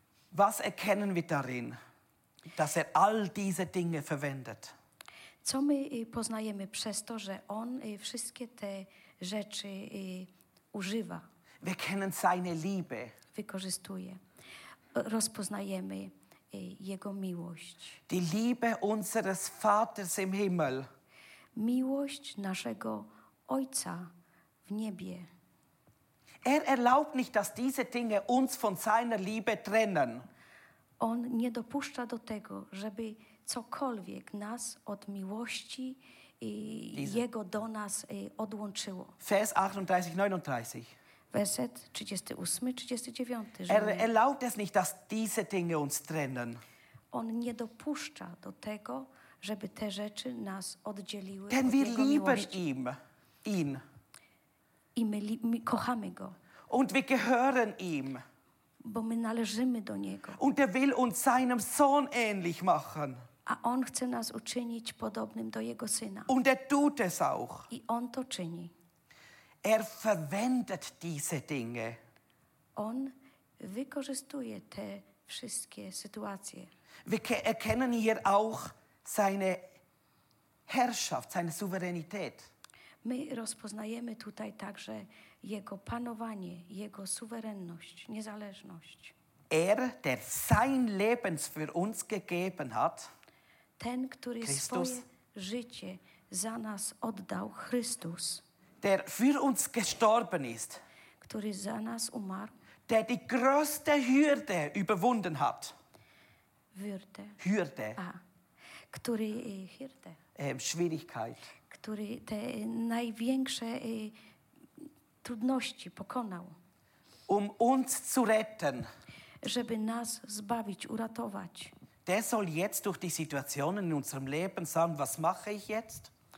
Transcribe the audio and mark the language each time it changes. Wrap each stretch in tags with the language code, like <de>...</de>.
<de>Was erkennen wir darin, dass all diese Dinge verwendet?</de> <pl>Co my poznajemy przez to, że on wszystkie te rzeczy używa?</pl> <de>Wir kennen seine Liebe.</de> <pl>Wykorzystuje. Rozpoznajemy jego miłość.</pl> <de>Die Liebe unseres Vaters im Himmel.</de> <pl>Miłość naszego Ojca w niebie.</pl> <de>Erlaubt nicht, dass diese Dinge uns von seiner Liebe trennen.</de> <pl>On nie dopuszcza do tego, żeby cokolwiek nas od miłości Jego do nas odłączyło.</pl> <de>Vers 38, 39.</de> <pl>Werset 38, 39.</pl> <de>Er erlaubt es nicht, dass diese Dinge uns trennen.</de> <pl>On nie dopuszcza do tego, żeby te rzeczy nas oddzieliły.</pl> <de>Denn wir lieben ihm, ihn.</de> <pl>I my, my kochamy go.</pl> <de>Und wir gehören ihm.</de> <pl>Bo my należymy do niego.</pl> <de>Und er will uns seinem Sohn ähnlich machen.</de> <pl>A on chce nas uczynić podobnym do jego syna.</pl> <de>Und er tut es auch.</de> <pl>I on to czyni.</pl> <de>Er verwendet diese Dinge.</de> <pl>On wykorzystuje te wszystkie sytuacje.</pl> <de>Wir erkennen hier auch seine Herrschaft, seine Souveränität.</de> <pl>My rozpoznajemy tutaj także jego panowanie, jego suwerenność, niezależność.</pl> <de>Er, der sein Leben für uns gegeben hat,</de> <pl>ten, który Christus, swoje życie za nas oddał, Chrystus,</pl> <de>der für uns gestorben ist,</de> <pl>który za nas umarł,</pl> <de>der die größte Hürde überwunden hat, Würde. Hürde,</de> <pl>a, który, Hürde.</pl> <de>Schwierigkeit,</de> <pl>który te największe trudności pokonał,</pl> <de>um uns zu retten,</de> <pl>żeby nas zbawić, uratować.</pl> <de>Der soll jetzt durch die Situationen in unserem Leben sagen, was mache ich jetzt?</de>